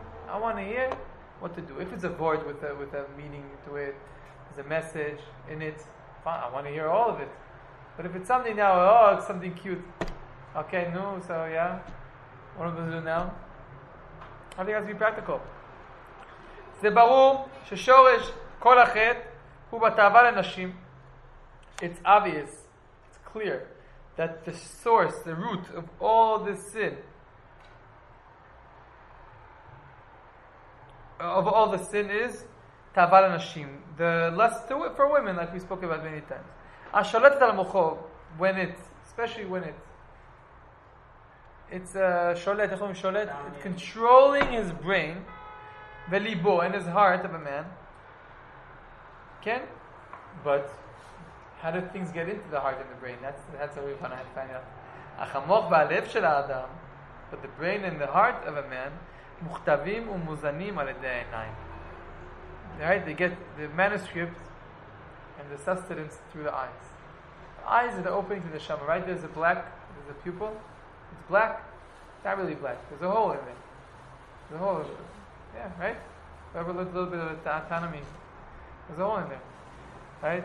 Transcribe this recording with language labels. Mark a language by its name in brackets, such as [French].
[English] I want to hear what to do. If it's a vort with a meaning to it, there's a message in it, fine, I want to hear all of it. But if it's something now, oh, it's something cute. Okay, no, so yeah. What am I going to do now? I think it has to be practical. [Hebrew] זה ברור ששורש כל החטא הוא בתאווה לנשים. [English] It's obvious, it's clear, that the source, the root of all this sin, of all the sin is [Hebrew] תאווה לנשים, [English] the lust for women, like we spoke about many times. [Hebrew] השולטת על המוחו, [English] when it, especially when it, it's [Hebrew] שולט, איך אומרים שולט? [English] It's controlling his brain, [Hebrew] וליבו, [English] and his heart of a man. כן? But, how do things get into the heart and the brain? That's what we want to find out. [Hebrew] אך המוח והלב של האדם, [English] but the brain and the heart of a man, [Hebrew] מוכתבים ומוזנים על ידי העיניים. [English] Right? They get the manuscript and the sustenance through the eyes. The eyes are the opening to the neshama, right? There's a pupil. It's black. Not really black. There's a hole in there. There's a hole in there. Yeah, right? Whoever looked a little bit of the autonomy, there's a hole in there. Right?